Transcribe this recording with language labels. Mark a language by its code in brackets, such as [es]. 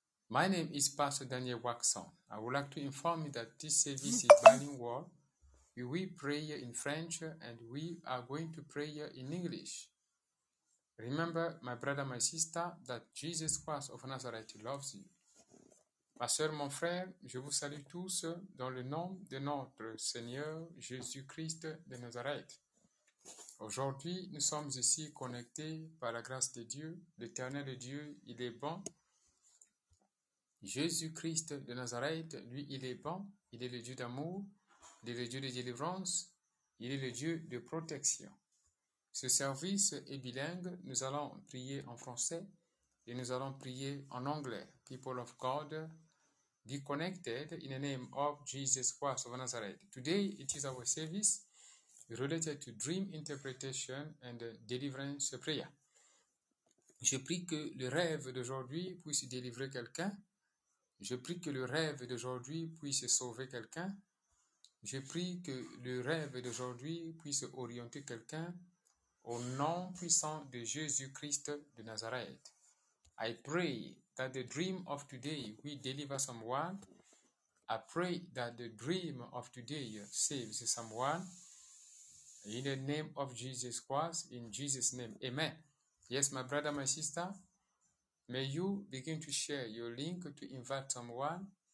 [en] My name is Pastor Daniel Waxon. I would like to inform you that this service is bilingual. We will pray in French and we are going to pray in English. Remember, my brother, my sister, that Jesus Christ of Nazareth loves you. [fr] Ma sœur, mon frère, je vous salue tous dans le nom de notre Seigneur Jésus-Christ de Nazareth. Aujourd'hui, nous sommes ici connectés par la grâce de Dieu, l'éternel Dieu, il est bon. Jésus-Christ de Nazareth, lui, il est bon, il est le Dieu d'amour, il est le Dieu de délivrance, il est le Dieu de protection. Ce service est bilingue, nous allons prier en français et nous allons prier en anglais. [en] People of God, be connected in the name of Jesus Christ of Nazareth. Today, it is our service related to dream interpretation and deliverance prayer. [fr] Je prie que le rêve d'aujourd'hui puisse délivrer quelqu'un. Je prie que le rêve d'aujourd'hui puisse sauver quelqu'un. Je prie que le rêve d'aujourd'hui puisse orienter quelqu'un au nom puissant de Jésus-Christ de Nazareth. [en] I pray that the dream of today will deliver someone. I pray that the dream of today saves someone. In the name of Jesus Christ, in Jesus' name, amen. Yes, my brother, my sister, may you begin to share your link to invite someone.